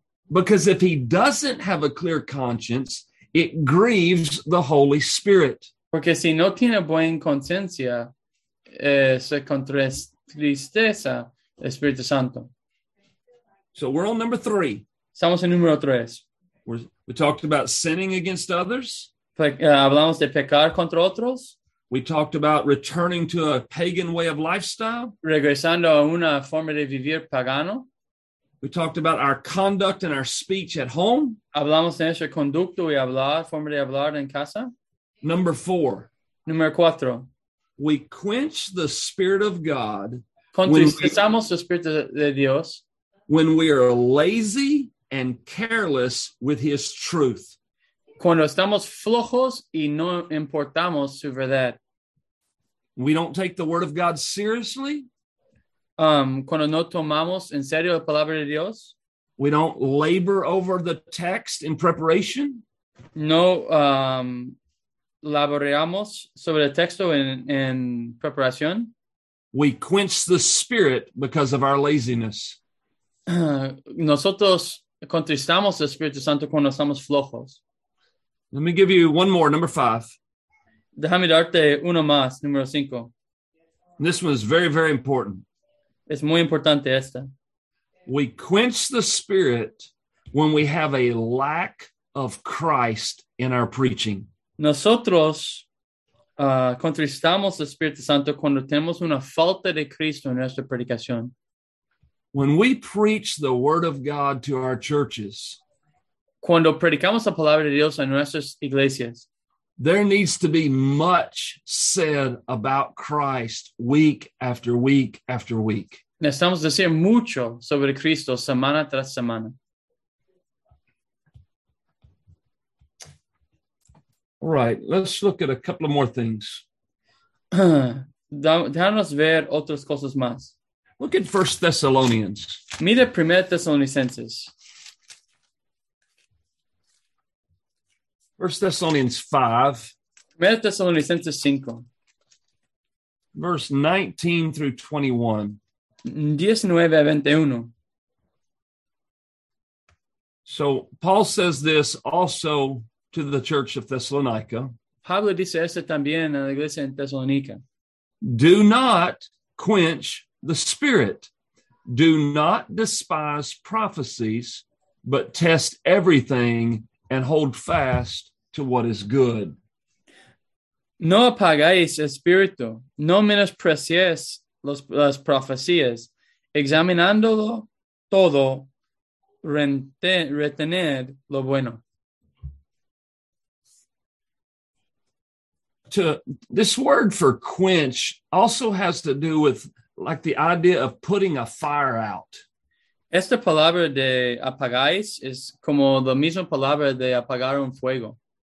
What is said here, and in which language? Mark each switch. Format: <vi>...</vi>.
<en>Because if he doesn't have a clear conscience, it grieves the Holy Spirit.</en> <es>Porque si no tiene buen conciencia, se contristeza el Espíritu Santo.</es> <en>So we're on number three.</en> <es>Estamos en número tres.</es> <en>We talked about sinning against others.</en> <es>Hablamos de pecar contra otros.</es> <en>We talked about returning to a pagan way of lifestyle.</en> <es>Regresando a una forma de vivir pagano.</es> <en>We talked about our conduct and our speech at home.</en> <es>Hablamos de nuestro conducto y hablar, forma de hablar en casa.</es> <en>Number four.</en> <es>Número cuatro.</es> <en>We quench the Spirit of God.</en> <es>Contristizamos el Espíritu de Dios.</es> <en>When we are lazy and careless with his truth.</en> <es>Cuando estamos flojos y no importamos su verdad.</es> <en>We don't take the word of God seriously.</en> <es>Cuando no tomamos en serio la palabra de Dios.</es> <en>We don't labor over the text in preparation.</en> <es>No laboreamos sobre el texto en preparación.</es> <en>We quench the Spirit because of our laziness.</en> <es>Nosotros contristamos al Espíritu Santo cuando estamos flojos.</es> <en>Let me give you one more, number five.</en> <es>Déjame darte uno más, número cinco.</es> <en>This one is very, very important.</en> <es>Es muy importante esta.</es> <en>We quench the Spirit when we have a lack of Christ in our preaching.</en> <es>Nosotros contristamos al Espíritu Santo cuando tenemos una falta de Cristo en nuestra predicación.</es> <en>When we preach the word of God to our churches,</en> <es>cuando predicamos la palabra de Dios en nuestras iglesias,</es> <en>there needs to be much said about Christ week after week after week.</en> <es>Necesitamos decir mucho sobre Cristo semana tras semana.</es> <en>All right, let's look at a couple of more things.</en> <es>Déjanos ver otras cosas más.</es> <en>Look at 1 Thessalonians.</en> <es>Mira 1 Thessalonicenses.</es> <en>1 Thessalonians 5.</en> <es>1 Thessalonicenses 5.</es> <en>Verse 19 through 21.</en> <es>19 a 21.</es> <en>So Paul says this also to the church of Thessalonica.</en> <es>Pablo dice esto también a la iglesia en Tesalónica.</es> <en>Do not quench the Spirit. Do not despise prophecies, but test everything and hold fast to what is good.</en> <es>No apagáis espíritu, no menosprecies las profecías, examinándolo todo, retened lo bueno.</es> <en>This word for quench also has to do with like the idea of putting a fire out.</en> <es>Esta palabra de apagáis es como la misma palabra de apagar un fuego.</es>